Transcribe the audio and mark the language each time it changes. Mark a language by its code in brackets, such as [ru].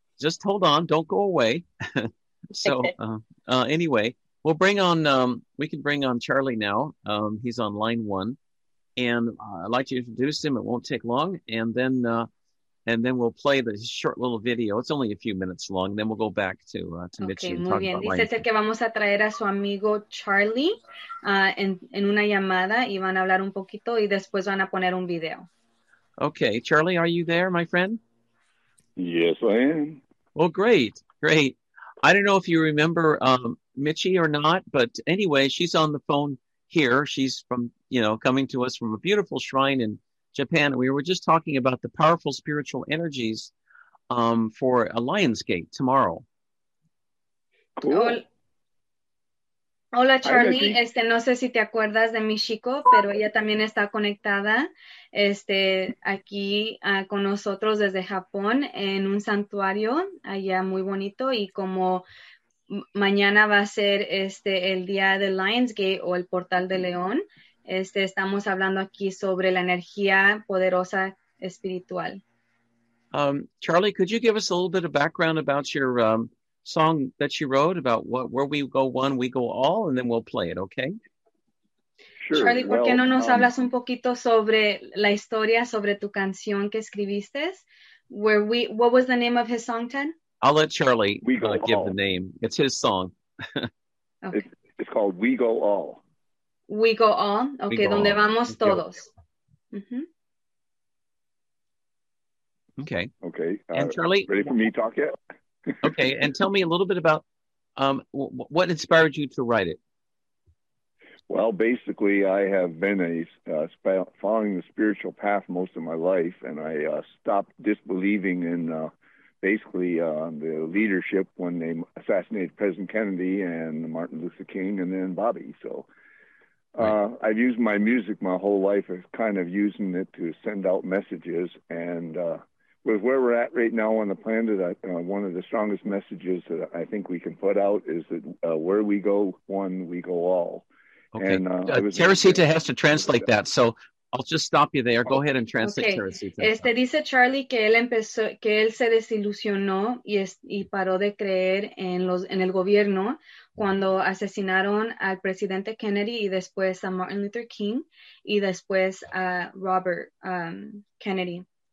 [en] Just hold on. Don't go away. So anyway, we'll bring on, we can bring on Charlie now. He's on line one. And I'd like to introduce him. It won't take long. And then we'll play the short little video. It's only a few minutes long. Then we'll go back to Michi okay, and [es] muy [en] talk [es] bien. [en] About [es] Dice [en] Lionskin. [es] Que vamos a traer a su amigo Charlie en una llamada y van a hablar un poquito y después van a poner un video. [en] Okay, Charlie, are you there, my friend? Yes, I am. Well, great, great. I don't know if you remember Michi or not, but anyway, she's on the phone here. She's from, you know, coming to us from a beautiful shrine in Japan. We were just talking about the powerful spiritual energies for a Lionsgate tomorrow. Cool. [es] Hola, Charlie. No sé si te acuerdas de Michiko, pero ella también está conectada aquí con nosotros desde Japón en un santuario allá muy bonito. Y como mañana va a ser el día de Lionsgate o el Portal de León, estamos hablando aquí sobre la energía poderosa espiritual. [en] Charlie, could you give us a little bit of background about your song that you wrote about where we go one, we go all, and then we'll play it, okay? Sure. [es] Charlie, ¿por qué no nos hablas un poquito sobre la historia, sobre tu canción que escribiste? [en] What was the name of his song, Ted? I'll let Charlie give the name. It's his song. Okay. It's called We Go All. We go all. Okay, go donde all. [es] Vamos todos. [en] Mm-hmm. Okay. Okay. And Charlie, ready for me to talk yet? Okay, and tell me a little bit about what inspired you to write it. Well, basically, I have been following the spiritual path most of my life, and I stopped disbelieving in the leadership when they assassinated President Kennedy and Martin Luther King, and then Bobby. So. Right. I've used my music my whole life as kind of using it to send out messages. And with where we're at right now on the planet, one of the strongest messages that I think we can put out is that where we go one, we go all. Okay. And Teresita has to translate that. So I'll just stop you there. Go ahead and translate, okay. Teresita. [es] Dice Charlie que él se desilusionó y paró de creer en el gobierno cuando asesinaron al presidente Kennedy y después a Martin Luther King y después a Robert Kennedy.